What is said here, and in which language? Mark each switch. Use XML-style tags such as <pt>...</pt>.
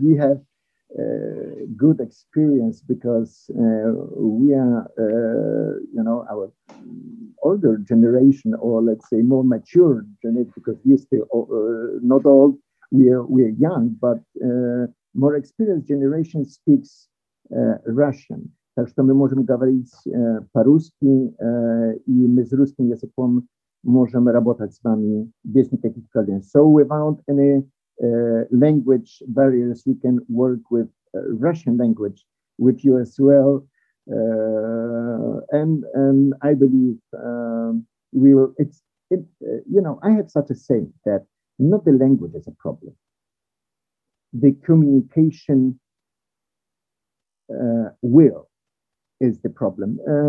<en>We have good experience because we are, you know, our older generation, or let's say more mature generation, because we're still not old, we are young, but more experienced generation speaks Russian.</en> <ru>Так что мы можем говорить по-русски, и мы с русским языком можем работать с вами без никаких проблем.</ru> <en>So without any language barriers, we can work with Russian language with you as well, and I believe we will. I have such a saying that not the language is a problem, the communication will is the problem.</en>